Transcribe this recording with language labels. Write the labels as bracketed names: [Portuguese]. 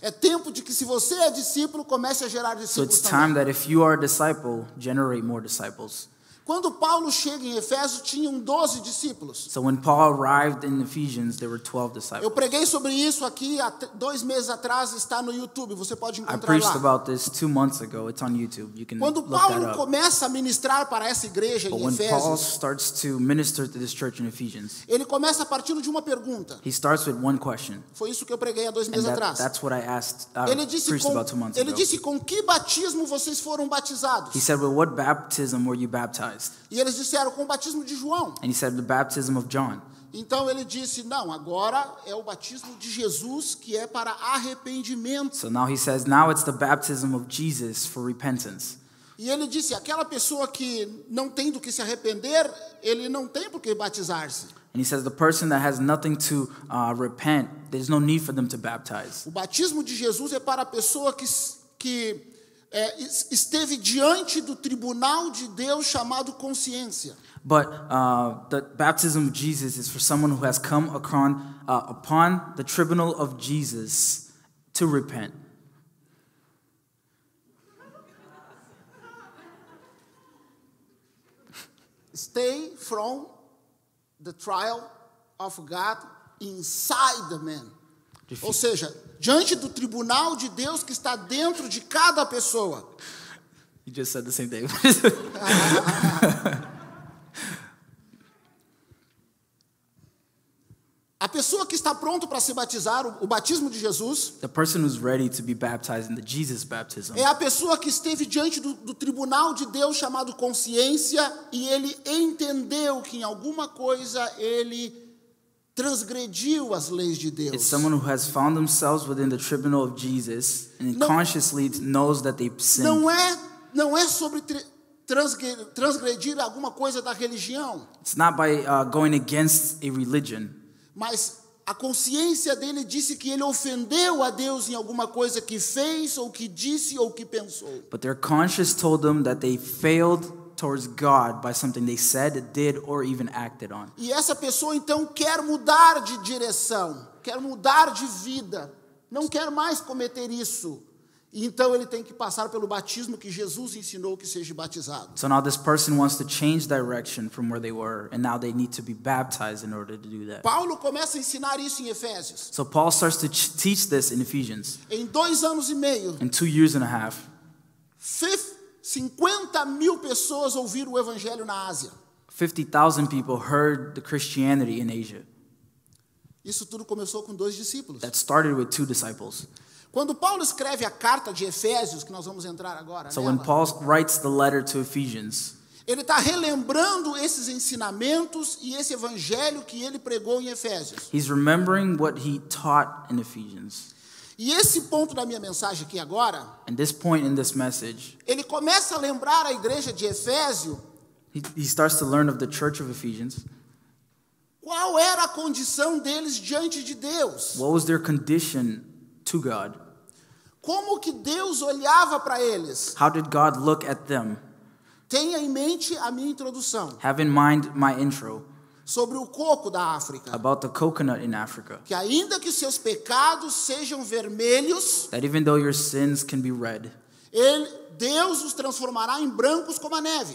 [Portuguese] É tempo de que se você é discípulo, comece a gerar discípulos também. [English] So it's time that if you are a disciple, generate more disciples. [Portuguese] Quando Paulo chega em Efésios, tinham 12 discípulos. [English] So when Paul arrived in Ephesians, there were 12 disciples. [Portuguese] Eu preguei sobre isso aqui há 2 meses atrás, está no YouTube, você pode encontrar lá. [English] I preached about this 2 months ago, it's on YouTube, you can [Portuguese] Quando [English] look [Portuguese] Paulo [English] that up. [Portuguese] Começa a ministrar para essa igreja [English] But [Portuguese] em Efésios, [English] Paul starts to minister to this church in Ephesians, [Portuguese] ele começa a partir de uma pergunta. [English] He starts with one question. [Portuguese] Foi isso que eu preguei há 2 meses [English] and [Portuguese] atrás. [English] That's what I asked, [Portuguese] ele disse, [English] preached about 2 months ago. [Portuguese] Ele disse, com que batismo vocês foram batizados? [English] He said, with what baptism were you baptized? [Portuguese] E eles disseram com o batismo de João. [English] And he said the baptism of John. [Portuguese] Então ele disse, não, agora é o batismo de Jesus que é para arrependimento. [English] So now he says, now it's the baptism of Jesus for repentance. [Portuguese] E ele disse, aquela pessoa que não tem do que se arrepender, ele não tem por que batizar-se. [English] And he says the person that has nothing to repent, there's no need for them to baptize. [Portuguese] O batismo de Jesus é para a pessoa que esteve diante do tribunal de Deus chamado consciência. [English] But the baptism of Jesus is for someone who has come upon the tribunal of Jesus to repent. Stay from the trial of God inside the man. [Portuguese] Ou seja, diante do tribunal de Deus que está dentro de cada pessoa. [English] You just said the same thing. [Portuguese] A pessoa que está pronto para se batizar, o batismo de Jesus, [English] the person who's ready to be baptized in the Jesus baptism, [Portuguese] é a pessoa que esteve diante do tribunal de Deus chamado consciência e ele entendeu que em alguma coisa ele transgrediu as leis de Deus. [English] It's someone who has found themselves within the tribunal of Jesus and [Portuguese] não, [English] consciously knows that they sinned. [Portuguese] Não é sobre transgredir alguma coisa da religião. [English] It's not by going against a religion. [Portuguese] Mas a consciência dele disse que ele ofendeu a Deus em alguma coisa que fez ou que disse ou que pensou. [English] But their conscience told them that they failed towards God by something they said, did, or even acted on. [Portuguese] E essa pessoa então quer mudar de direção, quer mudar de vida, não quer mais cometer isso. E então ele tem que passar pelo batismo que Jesus ensinou que seja batizado. [English] So now this person wants to change direction from where they were, and now they need to be baptized in order to do that. [Portuguese] Paulo começa a ensinar isso em Efésios. [English] So Paul starts to teach this in Ephesians. [Portuguese] Em 2 anos e meio. [English] In 2 years and a half. [Portuguese] 50 mil pessoas ouviram o evangelho na Ásia. [English] 50,000 people heard the Christianity in Asia. [Portuguese] Isso tudo começou com 2 discípulos. [English] That started with 2 disciples. [Portuguese] Quando Paulo escreve a carta de Efésios, que nós vamos entrar agora, [English] so when Paul writes the letter to Ephesians, [Portuguese] ele está relembrando esses ensinamentos e esse evangelho que ele pregou em Efésios. [English] He's remembering what he taught in Ephesians. [Portuguese] E esse ponto da minha mensagem aqui agora, [English] and this point in this message, [Portuguese] ele começa a lembrar a igreja de Efésio. [English] He starts to learn of the church of Ephesians. [Portuguese] Qual era a condição deles diante de Deus? [English] What was their condition to God? [Portuguese] Como que Deus olhava para eles? [English] How did God look at them? [Portuguese] Tenha em mente a minha introdução. [English] Have in mind my intro. [Portuguese] Sobre o coco da África. [English] About the coconut in Africa. [Portuguese] Que ainda que seus pecados sejam vermelhos, [English] that even though your sins can be red, [Portuguese] ele, Deus os transformará em brancos como a neve.